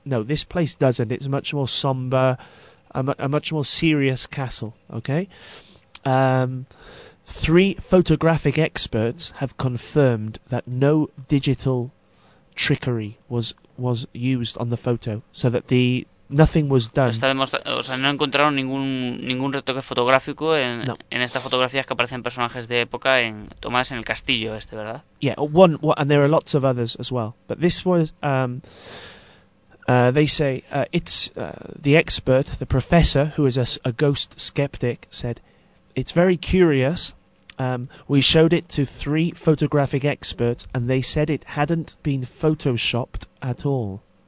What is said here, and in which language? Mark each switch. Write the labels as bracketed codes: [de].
[en] No, this place doesn't. It's much more somber, a much more serious castle, okay? Three photographic experts have confirmed that no digital trickery was used on the photo, so that the nothing was done. [es] Está demostrado, o sea, no encontraron ningún retoque fotográfico en, no. en estas fotografías que aparecen personajes de época en tomadas en el castillo este, ¿verdad? [en] Yeah, one, and there are lots of others as well. But this was, they say, it's the expert, the professor, who is a ghost skeptic, said, it's very curious. We showed it to three photographic experts, and they said it hadn't been photoshopped at all.